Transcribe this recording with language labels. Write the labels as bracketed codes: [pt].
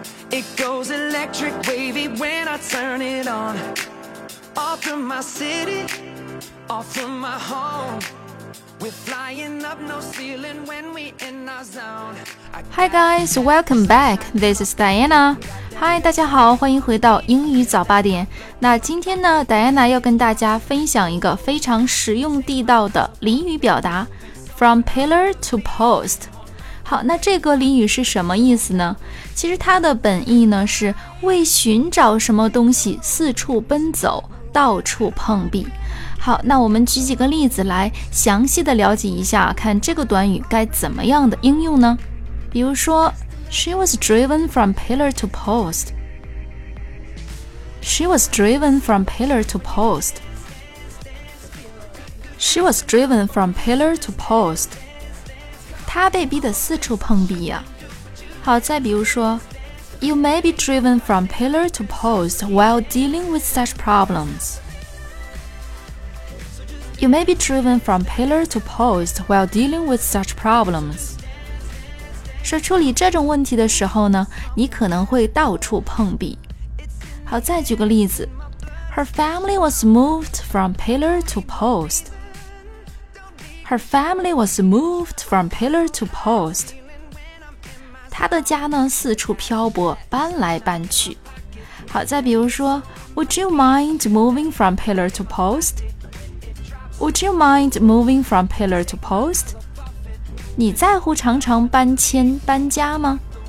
[en] It goes electric, wavy when I turn it on. Off from my city, off from my home. We're flying up no ceiling when we in our zone. Hi guys, welcome back. This is Diana. [zh] Hi, 大家好，欢迎回到英语早八点。那今天呢 ，Diana 要跟大家分享一个非常实用地道的俚语表达 ， [en] from pillar to post。 [zh] 好，那这个俚语是什么意思呢？其实它的本意呢是为寻找什么东西四处奔走，到处碰壁。好，那我们举几个例子来详细的了解一下，看这个短语该怎么样的应用呢？比如说。 [en] She was driven from pillar to post. She was driven from pillar to post. She was driven from pillar to post. [zh] 她被逼得四处碰壁呀。好，再比如说 [en] ，You may be driven from pillar to post while dealing with such problems. You may be driven from pillar to post while dealing with such problems. [zh] 说处理这种问题的时候呢，你可能会到处碰壁。好，再举个例子 [en] ，Her family was moved from pillar to post. Her family was moved from pillar to post. [zh] 她的家呢四处漂泊，搬来搬去。好，再比如说 [en] ，Would you mind moving from pillar to post? Would you mind moving from pillar to post? [zh] 你在乎常常搬迁搬家吗？